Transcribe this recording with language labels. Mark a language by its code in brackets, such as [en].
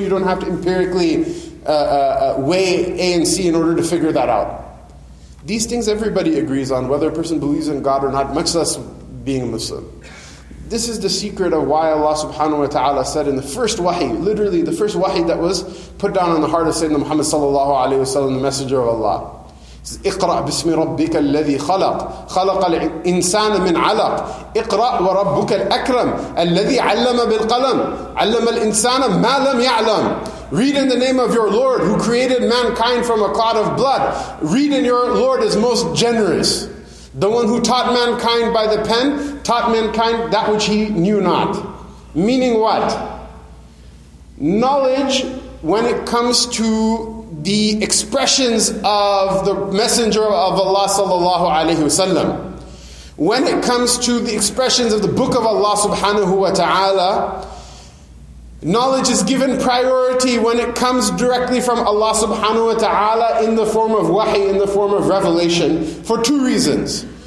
[en] You don't have to empirically weigh A and C in order to figure that out. These things everybody agrees on, whether a person believes in God or not, much less being a Muslim. This is the secret of why Allah subhanahu wa ta'ala said in the first wahi, literally the first wahi that was put down on the heart of Sayyidina Muhammad sallallahu alayhi wa sallam, the Messenger of Allah. It says, [ar] اقرأ بسم ربك الذي خلق خلق الإنسان من علق اقرأ وربك الأكرم الذي علم بالقلم علم الإنسان ما لم يعلم. [en] Read in the name of your Lord who created mankind from a clot of blood. Read in your Lord is most generous. The one who taught mankind by the pen, taught mankind that which he knew not. Meaning what? Knowledge, when it comes to the expressions of the Messenger of Allah sallallahu alayhi wasallam, when it comes to the expressions of the Book of Allah subhanahu wa ta'ala, knowledge is given priority when it comes directly from Allah subhanahu wa ta'ala in the form of wahi, in the form of revelation, for two reasons.